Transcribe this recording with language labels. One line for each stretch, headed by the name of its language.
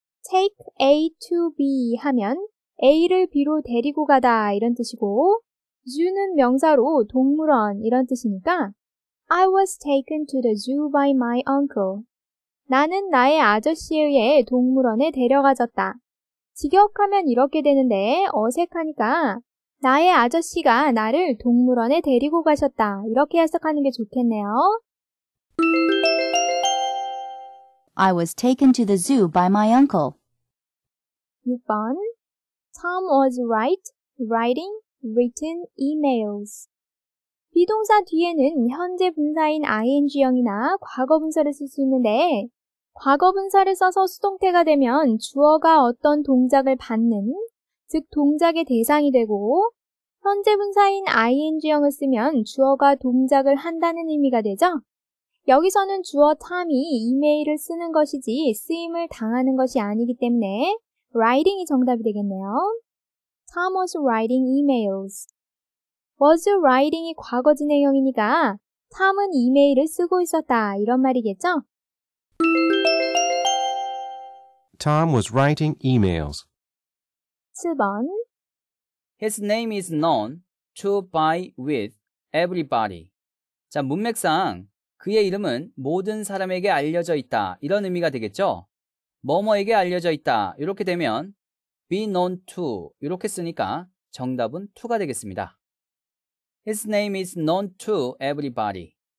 Korean: take A to B 하면 A를 B로 데리고 가다 이런 뜻이고 zoo는 명사로 동물원 이런 뜻이니까
English: I was taken to the zoo by my uncle.
Korean: 나는 나의 아저씨에 의해 동물원에 데려가졌다. 직역하면 이렇게 되는데 어색하니까 나의 아저씨가 나를 동물원에 데리고 가셨다. 이렇게 해석하는 게 좋겠네요.
English: I was taken to the zoo by my uncle. 6번. Tom was writing written emails.
Korean: 비동사 뒤에는 현재 분사인 ing형이나 과거분사를 쓸수 있는데 과거분사를 써서 수동태가 되면 주어가 어떤 동작을 받는, 즉 동작의 대상이 되고, 현재 분사인 ing형을 쓰면 주어가 동작을 한다는 의미가 되죠. 여기서는 주어 Tom이 이메일을 쓰는 것이지 쓰임을 당하는 것이 아니기 때문에 writing이 정답이 되겠네요.
English: Tom was writing emails.
Korean: was writing이 과거 진행형이니까 Tom은 이메일을 쓰고 있었다 이런 말이겠죠.
English: Tom was writing emails.
Korean: 7번.
English: His name is known to by with everybody.
Korean: 자, 문맥상 그의 이름은 모든 사람에게 알려져 있다. 이런 의미가 되겠죠? 뭐뭐에게 알려져 있다. 이렇게 되면 be known to 이렇게 쓰니까 정답은 to가 되겠습니다.
English: His name is known to everybody.